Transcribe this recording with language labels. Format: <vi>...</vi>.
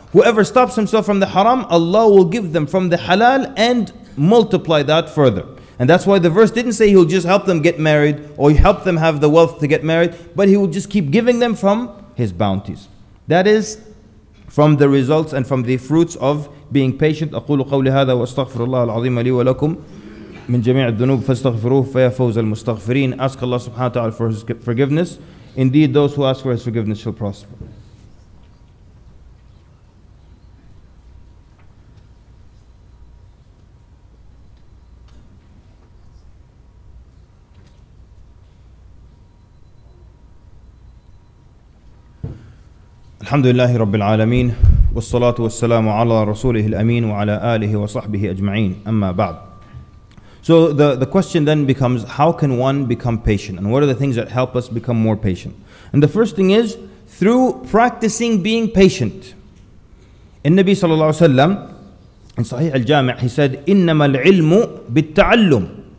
<en>Whoever stops himself from the haram, Allah will give them from the halal and multiply that further. And that's why the verse didn't say He'll just help them get married or He'll help them have the wealth to get married, but He will just keep giving them from His bounties. That is from the results and from the fruits of being patient.</en> <ar>أَقُولُ قَوْلِ هَذَا وَأَسْتَغْفِرُ اللَّهَ الْعَظِيمَ لِي وَلَكُمْ من جميع الذنوب فاستغفروه فيا فوز المستغفرين.</ar> <en>Ask Allah subhanahu wa ta'ala for His forgiveness. Indeed, those who ask for His forgiveness shall prosper.</en> <ar>الحمد لله رب العالمين والصلاة والسلام على رسوله الأمين وعلى آله وصحبه أجمعين. أما بعد.</ar> <en>So the question then becomes, how can one become patient? And what are the things that help us become more patient? And the first thing is, through practicing being patient. In Nabi sallallahu alayhi wa sallam, in Sahih al-Jami', he said,</en> <ar>إِنَّمَا الْعِلْمُ بِالتَّعَلُّمِ.</ar>